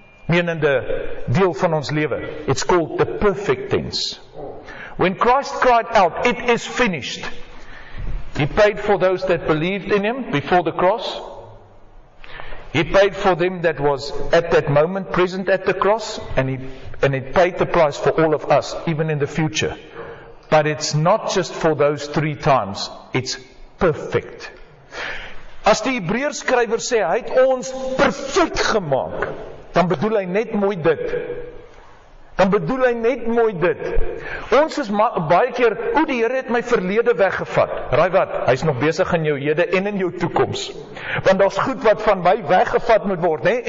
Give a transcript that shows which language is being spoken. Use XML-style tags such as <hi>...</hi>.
<af>Menende deel van ons lewe.</af> <en>It's called the perfect tense. When Christ cried out, it is finished. He paid for those that believed in him before the cross. He paid for them that was at that moment present at the cross, and he paid the price for all of us, even in the future. But it's not just for those three times. It's perfect.</en> <af>As die Hebreërskrywer sê, hy het ons perfect gemaak, dan bedoel hy net mooi dit. Dan bedoel hy net mooi dit. Ons is baie keer, die Here het my verlede weggevat. Raai wat, hy is nog besig in jou hede en in jou toekoms. Want daar is goed wat van my weggevat moet word, nee?</af>